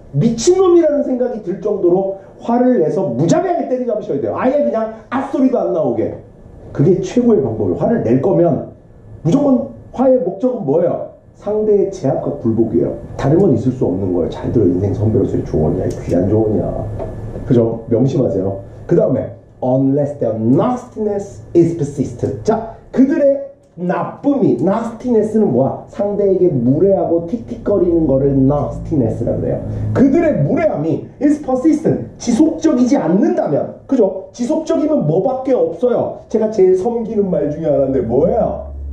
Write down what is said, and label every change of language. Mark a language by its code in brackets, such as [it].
[ko] 미친놈이라는 생각이 들 정도로 화를 내서 무자비하게 때려잡으셔야 돼요. 아예 그냥 앗소리도 안 나오게. 그게 최고의 방법이에요. 화를 낼 거면 무조건 화의 목적은 뭐예요? 상대의 제압과 불복이에요. 다른 건 있을 수 없는 거예요. 잘 들어, 인생 선배로서의 조언이야. 귀한 조언이야. 그죠? 명심하세요. 그 다음에 [en] Unless their nastiness is persistent. [ko] 자, 그들의 나쁨이, nastiness는 뭐야? 상대에게 무례하고 틱틱거리는 거를 nastiness라고 그래요. 그들의 무례함이 is persistent, 지속적이지 않는다면, 그죠? 지속적이면 뭐밖에 없어요? 제가 제일 섬기는 말 중에 하나인데 뭐예요?